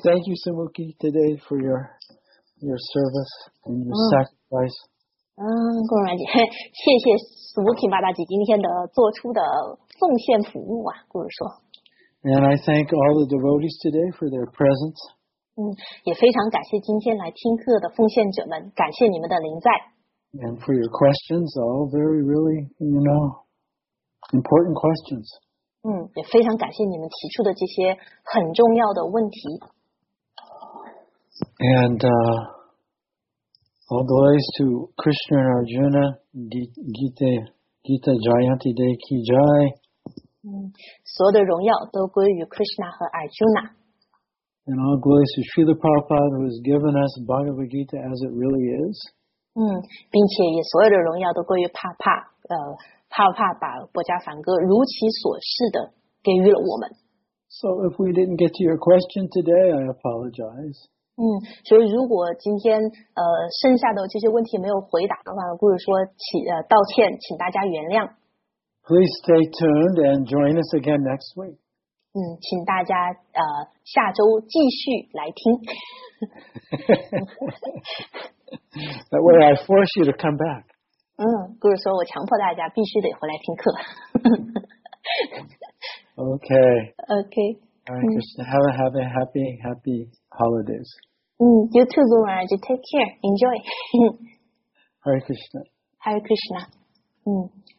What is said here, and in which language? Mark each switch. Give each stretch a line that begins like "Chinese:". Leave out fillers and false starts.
English: Thank you, Sumuki, today for your service and your sacrifice.
Chinese: 郭老师，谢谢Subhuti Mataji 今天的做出的奉献服务啊，或者说。
English: And I thank all the devotees today for their presence.
Chinese: 也非常感谢今天来听课的奉献者们，感谢你们的临在。
English: And for your questions, all very really, you know, important questions.
Chinese: 也非常感谢你们提出的这些很重要的问题。
English: And, all glories to Krishna and Arjuna, Gita Jayanti Day Ki Jai.
Chinese: 所有的荣耀都归于 Krishna 和 Arjuna.
English: And all glories to Srila Prabhupada who has given us Bhagavad Gita as it really is.
Chinese: 并且也所有的荣耀都归于帕帕，帕帕把博迦梵歌如其所示的给予了我们。
English: So if we didn't get to your question today, I apologize.
Chinese: 所以如果今天剩下的这些问题没有回答的话，或者说道歉，请大家原谅。
English: Please stay tuned and join us again next week.
Chinese: 请大家下周继续来听。
English: That way I force you to come back.
Chinese: 故事说我强迫大家必须得回来听课。
English: Okay. Okay. All right, Krishna, have a happy, happy holidays. You too, Guru Maharaj. Take care. Enjoy. Hare Krishna. Hare Krishna.